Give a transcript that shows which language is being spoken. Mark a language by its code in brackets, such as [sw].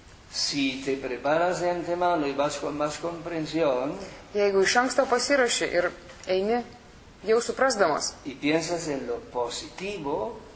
[es] Si te preparas de antemano y vas con más comprensión, [lt] jeigu iš anksto pasiruoši ir eini, jau suprasdamas. [es] Y piensas en lo positivo,